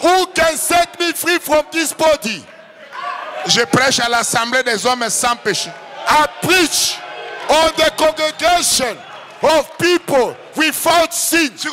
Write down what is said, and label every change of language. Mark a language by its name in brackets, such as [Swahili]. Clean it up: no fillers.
[English] who can set me free from this body. [French] Je prêche à l'assemblée des hommes sans péché, [English] I preach on the congregation of people without sin.